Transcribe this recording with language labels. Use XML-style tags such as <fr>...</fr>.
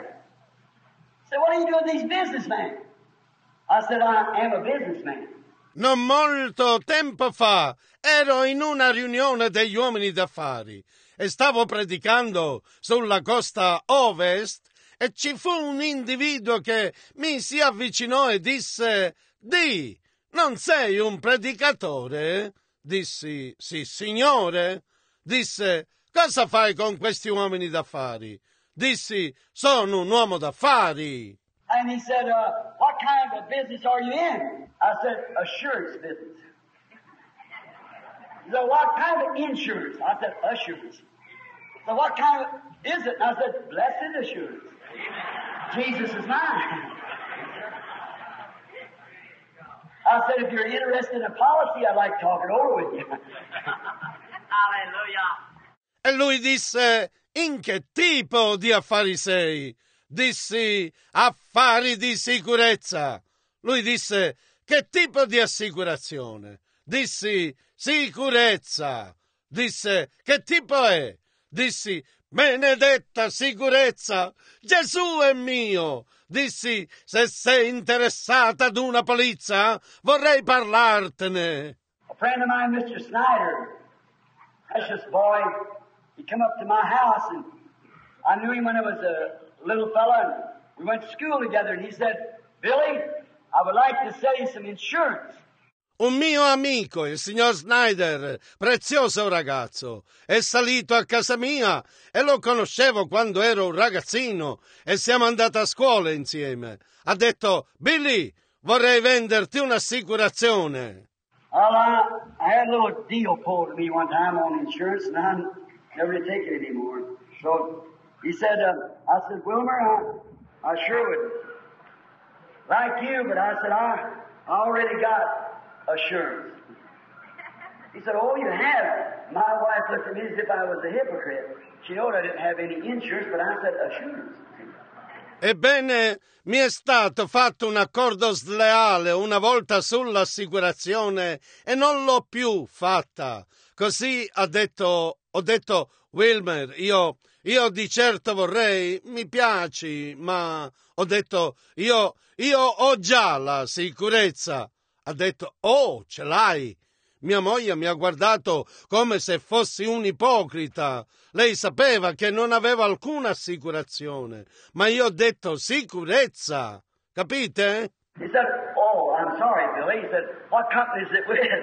<en>He said, what are you doing with these businessmen? I said, I am a businessman.</en> <it>Non molto tempo fa ero in una riunione degli uomini d'affari e stavo predicando sulla costa ovest e ci fu un individuo che mi si avvicinò e disse, di, non sei un predicatore? Dissi, sì, signore. Disse, cosa fai con questi uomini d'affari? Dissi, sono un uomo d'affari.</it> <en>And he said, what kind of a business are you in? I said, assurance business. He said, what kind of insurance? I said, assurance. So what kind of is it? I said, blessed assurance. Jesus is mine. I said, if you're interested in a policy, I'd like to talk it over with you. Hallelujah.</en> <it>E lui disse, in che tipo di affari sei? Dissi, affari di sicurezza. Lui disse, che tipo di assicurazione? Dissi, sicurezza. Disse, che tipo è? Dissi, benedetta sicurezza. Gesù è mio. Dissi, se sei interessata ad una polizza, vorrei parlartene.</it> <en>A friend of mine, Mr. Snyder, precious boy, he came up to my house and I knew him when I was a little fella, and we went to school together, and he said, Billy, I would like to sell you some insurance.</en> <it>Un mio amico, il signor Snyder, prezioso ragazzo, è salito a casa mia e lo conoscevo quando ero un ragazzino e siamo andati a scuola insieme. Ha detto, Billy, vorrei venderti un'assicurazione.</it> <en>Well, I had a little deal pulled me one time on insurance and I never take it anymore. So he said, I said, Wilmer, I sure would like you, but I said, I already got assurance. He said, oh, you have. My wife looked at me as if I was a hypocrite. She knew I didn't have any insurance, but I said, assurance.</en> <it>Ebbene, mi è stato fatto un accordo sleale una volta sull'assicurazione e non l'ho più fatta. Così ho detto Wilmer, io di certo vorrei, mi piaci, ma ho detto io ho già la sicurezza. Ha detto, oh, ce l'hai. Mia moglie mi ha guardato come se fossi un ipocrita. Lei sapeva che non avevo alcuna assicurazione, ma io ho detto sicurezza. Capite?</it> <en>He said, oh, I'm sorry, Billy. He said, what company is it with?</en>